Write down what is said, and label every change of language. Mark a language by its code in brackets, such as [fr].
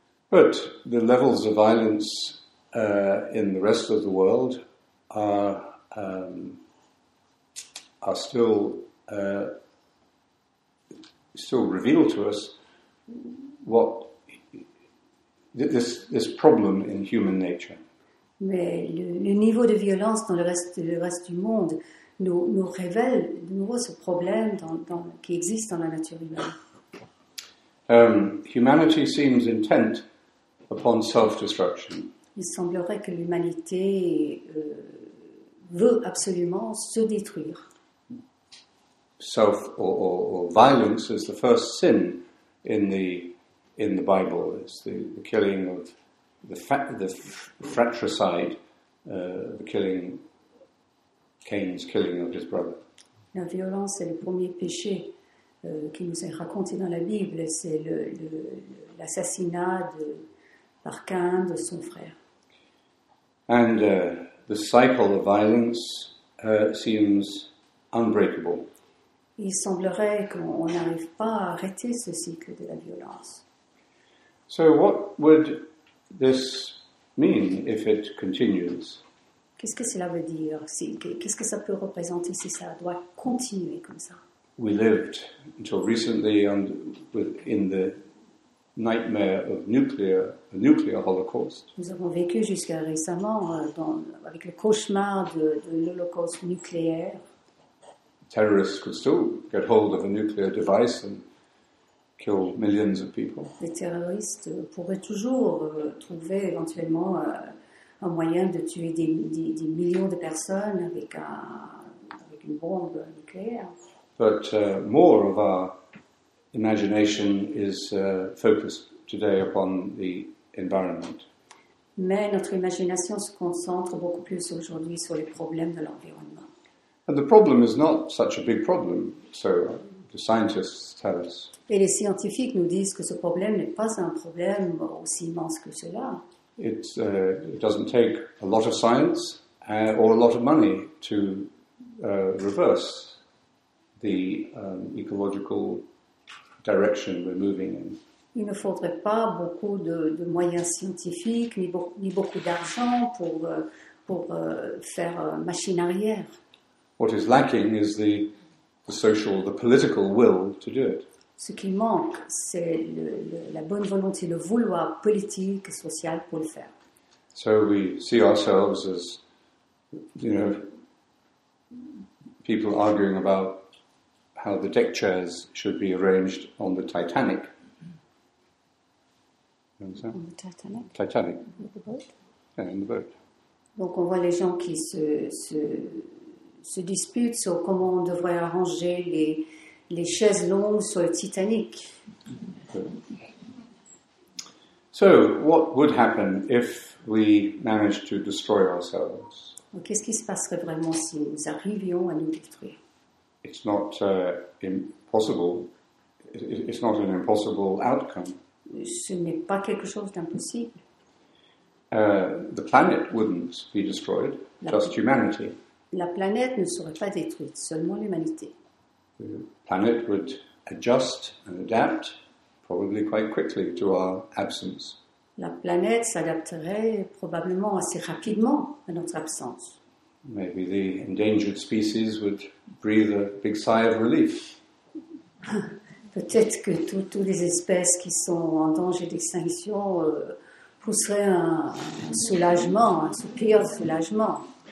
[en] But the levels of violence in the rest of the world are still reveal to us what this problem in human nature. [fr] Mais le niveau de violence dans le reste du monde nous révèle de nouveau ce problème qui existe dans la nature humaine. [en] Humanity seems intent upon self-destruction. [fr] Il semblerait que l'humanité veut absolument se détruire. [en] Self or violence is the first sin in the Bible. It's the killing of the fratricide, the killing, Cain's killing of his brother. [fr] La violence est le premier péché qui nous est raconté dans la Bible. C'est l'assassinat par Cain de son frère. [en] And the cycle of violence seems unbreakable. [fr] Il semblerait qu'on n'arrive pas à arrêter ce cycle de la violence. [en] So what would this mean if it continues? [fr] Qu'est-ce que cela veut dire? Qu'est-ce que ça peut représenter si ça doit continuer comme ça? [en] We lived until recently in the nightmare of a nuclear holocaust. [fr] Nous avons vécu jusqu'à récemment avec le cauchemar de l'holocauste nucléaire. [en] Terrorists could still get hold of a nuclear device and kill millions of people. [fr] Les terroristes pourraient toujours trouver éventuellement un moyen de tuer des millions de personnes avec une bombe nucléaire. [en] But more of our imagination is focused today upon the environment. [fr] Mais notre imagination se concentre beaucoup plus aujourd'hui sur les problèmes de l'environnement. [en] And the problem is not such a big problem, so the scientists tell us. [fr] Et les scientifiques nous disent que ce problème n'est pas un problème aussi immense que cela. [en] It doesn't take a lot of science or a lot of money to reverse the ecological direction we're moving in. [fr] Il ne faudrait pas beaucoup de moyens scientifiques ni beaucoup d'argent pour faire machine arrière. [en] What is lacking is the social, the political will to do it. [fr] Ce qui manque, c'est la bonne volonté, le vouloir politique, social pour le faire. [en] So we see ourselves as, you know, people arguing about how the deck chairs should be arranged on the Titanic. On the Titanic? Titanic. In the boat? Yeah, in the boat. [fr] Donc on voit les gens qui se disputent sur comment on devrait arranger les chaises longues sur le Titanic. [en] So, what would happen if we managed to destroy ourselves? [fr] Qu'est-ce qui se passerait vraiment si nous arrivions à nous détruire? [en] It's not impossible. It's not an impossible outcome. [fr] Ce n'est pas quelque chose d'impossible. [en] The planet wouldn't be destroyed, just humanity. [fr] La planète ne serait pas détruite, seulement l'humanité. [en] The planet would adjust and adapt probably quite quickly to our absence. [fr] La planète s'adapterait probablement assez rapidement à notre absence. [en] Maybe the endangered species would breathe a big sigh of relief. [fr] Peut-être que toutes les espèces qui sont en danger d'extinction pousseraient un soulagement, un soupir de soulagement.